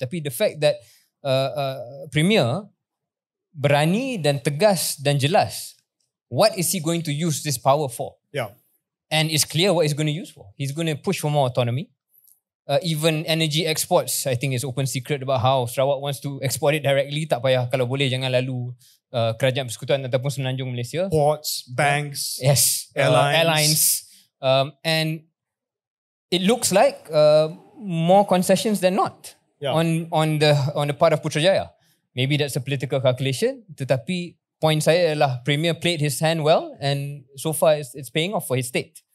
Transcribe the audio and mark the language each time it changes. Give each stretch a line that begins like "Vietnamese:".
English: Tapi the fact that Premier
Malay: berani dan tegas dan jelas,
English: what is he going to use this power for? And it's clear what he's going to use for. He's going to push for more autonomy. Even energy exports, I think it's open secret about how Sarawak wants to export it directly.
Malay: Tak payah, kalau boleh jangan lalu Kerajaan Persekutuan ataupun Semenanjung Malaysia.
English: Ports, banks, yes, airlines. And it looks like more concessions than not on the part of Putrajaya. Maybe that's a political calculation,
Malay: tetapi point saya ialah
English: Premier played his hand well and so far it's paying off for his state.